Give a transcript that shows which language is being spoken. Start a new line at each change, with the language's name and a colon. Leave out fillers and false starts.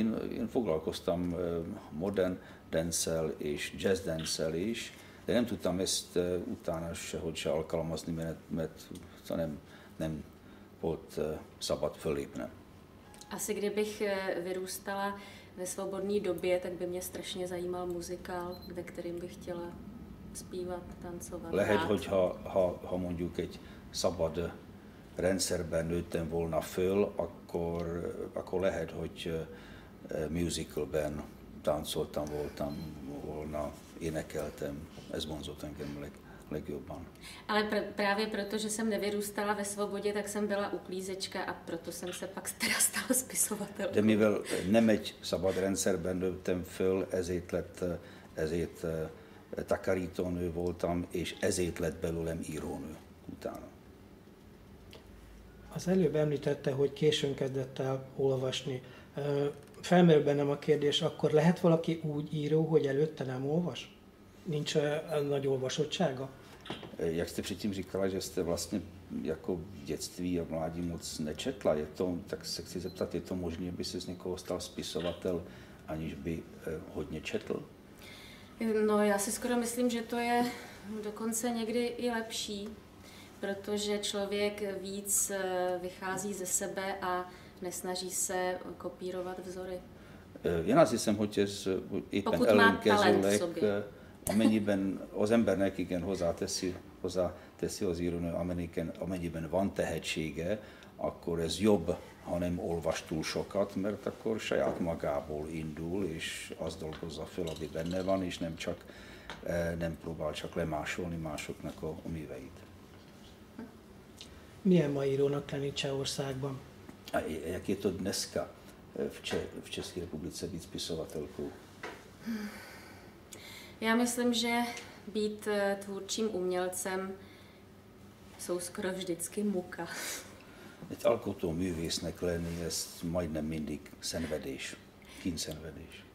Hungarian: Én foglalkoztam modern dance-el és jazz dance-el is, de nem tudtam ezt utána sehogy se alkalmazni, mert nem volt szabad fölépnem.
Czech: Asi kdybych vyrůstala ve svobodné době, tak by mě strašně zajímal muzikál, ve kterým bych chtěla zpívat, tancovat.
Hungarian: Lehet, hogy ha mondjuk egy szabad rendszerben nőttem volna föl, akkor lehet, hogy musicalben táncoltam, voltam volna, énekeltem, ez vonzott engem legjobban.
Czech: Ale právě proto, že jsem nevyrůstala ve svobodě, tak jsem byla uklízečka a proto jsem se pak teda stala spisovatelkou.
Hungarian: De mivel nem egy szabad rendszerben nőttem föl, ezért takarítónő voltam, és ezért lett belőlem írónő utána. Az előbb említette, hogy későn kezdett el olvasni. Felmerül bennem a kérdés, akkor lehet valaki úgy író, hogy előtte nem olvas? Nincs nagy olvasottsága?
Czech: Jak jste předtím říkala, že jste vlastně jako v dětství a mládí moc nečetla, je to, tak se chci zeptat, je to možné, aby se z někoho stal spisovatel, aniž by hodně četl? No, já si skoro myslím, že to je dokonce někdy i lepší, protože člověk víc vychází ze sebe a nesnaží se kopírovat vzory. Jen asi jsem
Hungarian: hotěř, i ten Ellen Kezulek, amennyiben az embernek igen hozzáteszi az írónő, amennyiben van tehetsége, akkor ez jobb, ha nem olvas túl sokat, mert akkor saját magából indul, és az dolgozza fel, ami benne van, és nem próbál csak lemásolni másoknak a műveit. Milyen ma írónak lenni Csehországban?
Czech: Jaké to dneska v České republice být spisovatelkou? Já myslím, že být tvůrčím umělcem jsou skoro vždycky muka.
Hungarian: Egy alkotó művésznek lenni, ez majdnem mindig szenvedés, kínszenvedés.